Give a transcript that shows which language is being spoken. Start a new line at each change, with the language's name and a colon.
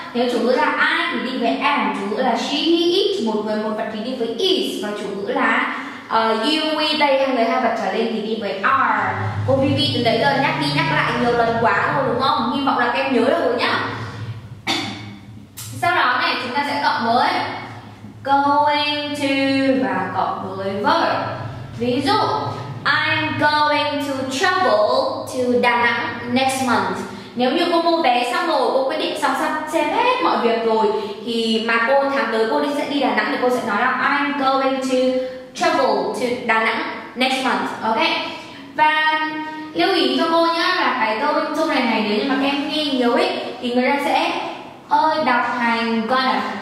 Vietnamese: Nếu chủ ngữ là I thì đi với am, chủ ngữ là she, he, it, một người, một vật thì đi với is, và chủ ngữ là you, we, they, hai người, hai vật trở lên thì đi với are. Cô Vivi từ đấy giờ nhắc đi nhắc lại nhiều lần quá rồi đúng không? Hy vọng là các em nhớ được rồi nhá. Sau đó này chúng ta sẽ cộng với going to và cộng với verb. Ví dụ
English: I'm going to travel to Đà Nẵng next month.
Vietnamese: Nếu như cô mua vé xong rồi, cô quyết định xong xong xem hết mọi việc rồi, thì mà cô tháng tới cô đi sẽ đi Đà Nẵng thì cô sẽ nói là
English: I'm going to travel to Đà Nẵng next month.
Vietnamese: Ok. Và lưu ý cho cô nhá là cái going to này này, nếu như mà các em nghe nhiều ấy thì người ta sẽ hơi đọc thành con ạ.